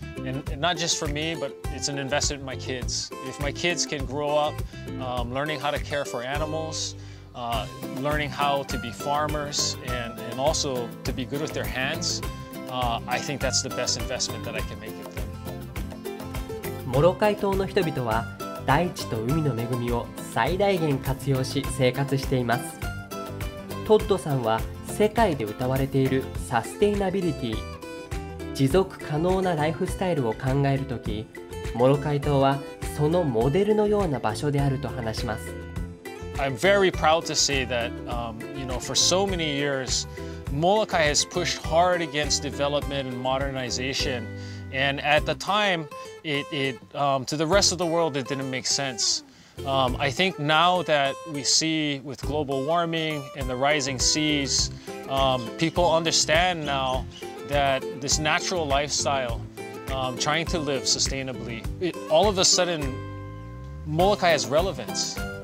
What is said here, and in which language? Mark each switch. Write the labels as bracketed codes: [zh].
[en] And not just for me, but it's an investment in my kids. If my kids can grow up learning how to care for animals, learning how to be farmers, and also to be good with their hands, I think that's the best investment that I can make in them. [ja] モロカイ島の人々は大地と海の恵みを最大限活用し生活しています。トッドさんは世界で歌われているサステイナビリティ、持続可能なライフスタイルを考えるとき、モロカイ島はそのモデルのような場所であると話します。 [en] I'm very proud to say that, you know, for so many years, Molokai has pushed hard against development and modernization. And at the time, it to the rest of the world, it didn't make sense. I think now that we see with global warming and the rising seas, people understand now that this natural lifestyle, trying to live sustainably, all of a sudden, Molokai has relevance.